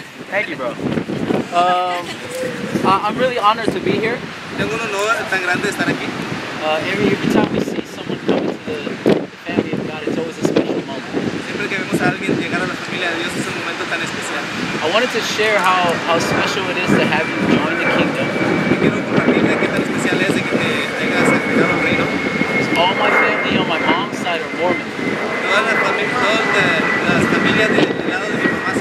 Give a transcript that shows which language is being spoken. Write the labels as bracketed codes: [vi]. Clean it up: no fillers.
[en] Thank you, bro. I'm really honored to be here. [es] Tengo un honor tan grande estar aquí. [en] Every time we see someone come to the family of God, it's always a special moment. [es] Siempre que vemos a alguien llegar a la familia de Dios, es un momento tan especial. [en] I wanted to share how special it is to have you join the kingdom. [es] Quiero compartirte qué tan especial es de que te hayas agregado al reino. [en] All my family on my mom's side are Mormon. [es] Toda la familia, todas las familias del lado de mi mamá.